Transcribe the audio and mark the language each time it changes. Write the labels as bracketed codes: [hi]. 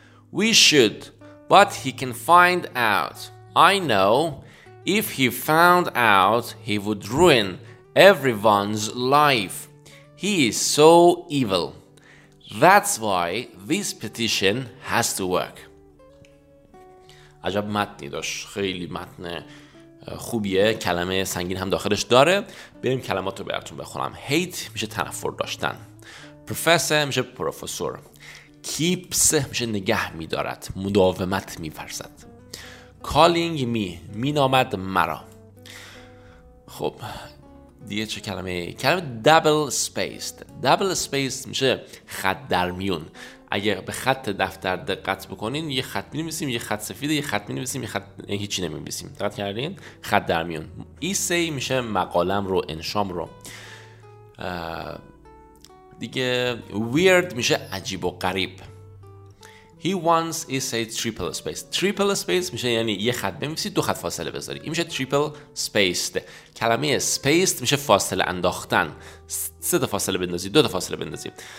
[en] We should, but he can find out. I know, if he found out, he would ruin everyone's life. He is so evil. That's why this petition has to work. [fa] عجب متنی داشت، خیلی متن خوبیه، کلمه سنگین هم داخلش داره. بریم کلماتو براتون بخونم. hate میشه تنفر داشتن، professor میشه پروفسور، keeps میشه نگه میدارد، مداومت میفرزد، [en] calling me [fa] مینامد مرا. خب دیگه چه کلمه؟ کلمه [en] double spaced. double spaced [fa] میشه خط در میون. اگه به خط دفتر دقت بکنین، یه خط می‌نویسیم، یه خط سفید، یه خط می‌نویسیم، یه خط هیچی نمی‌نویسیم. دقت کردین؟ خط در میون. ایسی میشه مقالم رو، انشام رو. دیگه weird میشه عجیب و غریب. [en] He wants essay triple spaced. [fa] Triple spaced میشه یعنی یه خط بنویسی، دو خط فاصله بذاری. این میشه [en] triple spaced. [fa] کلمه spaced میشه فاصله انداختن. سه تا فاصله بندازی، دو تا فاصله بندازی.